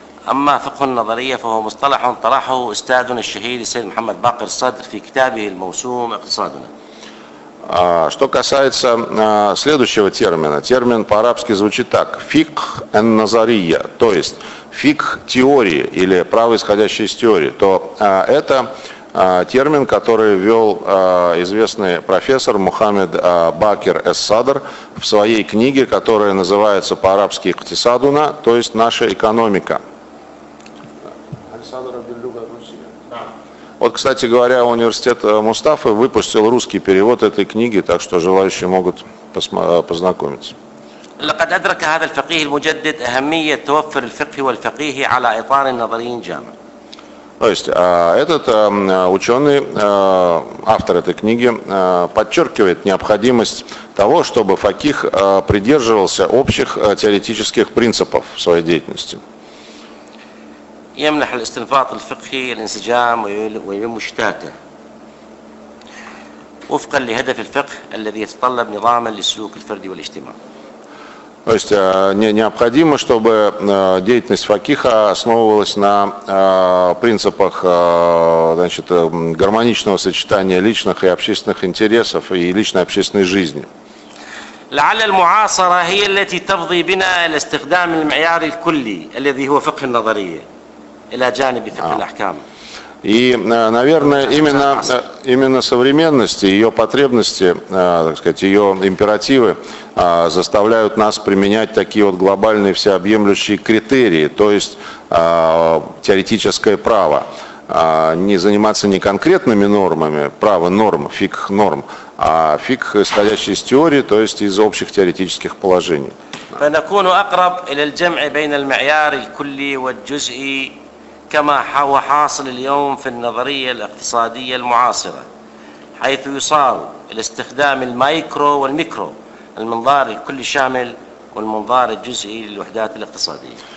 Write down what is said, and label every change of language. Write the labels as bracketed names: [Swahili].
[Arabic] أما فقه النظرية فهو مصطلح طرحه أستاذنا الشهيد السيد محمد باقر الصدر في كتابه الموسوم اقتصادنا. [Russian] Что касается следующего термина, термин по-арабски звучит так: фикх ан-назария, то есть фикх теории или право, исходящее из теории, то это термин, который ввел известный профессор Мухаммед Бакир Эс-Садр в своей книге, которая называется по-арабски «Иктисадуна», то есть «Наша экономика». Вот, кстати говоря, университет Мустафы выпустил русский перевод этой книги, так что желающие могут познакомиться. [Arabic] لقد أدرك هذا الفقيه المجدد أهمية توفر الفقه والفقيه على إطار نظري جامع. [Russian] То есть этот ученый, автор этой книги, подчеркивает необходимость того, чтобы факих придерживался общих теоретических принципов в своей деятельности. [Arabic] يمنح الاستنباط الفقهي الانسجام ومشتاته وفقا لهدف الفقه الذي يتطلب نظاما للسلوك الفردي والاجتماع. [Russian] То есть необходимо, чтобы деятельность факиха основывалась на принципах, значит, гармоничного сочетания личных и общественных интересов и личной общественной жизни. [Arabic] لعل المعاصرة هي التي تفضي بنا إلى استخدام المعيار الكلي الذي هو فقه النظرية إلى جانب فقه الأحكام. [Russian] И, наверное, именно современность, ее потребности, так сказать, ее императивы заставляют нас применять такие вот глобальные всеобъемлющие критерии, то есть теоретическое право, не заниматься не конкретными нормами, право норм, фикх норм, а фикх, исходящий из теории, то есть из общих теоретических положений. [Arabic] فنكون أقرب إلى الجمع بين المعيار الكلي والجزئي كما هو حاصل اليوم في النظرية الاقتصادية المعاصرة حيث يصار الاستخدام المايكرو والميكرو المنظار الكلي شامل والمنظار الجزئي للوحدات الاقتصادية.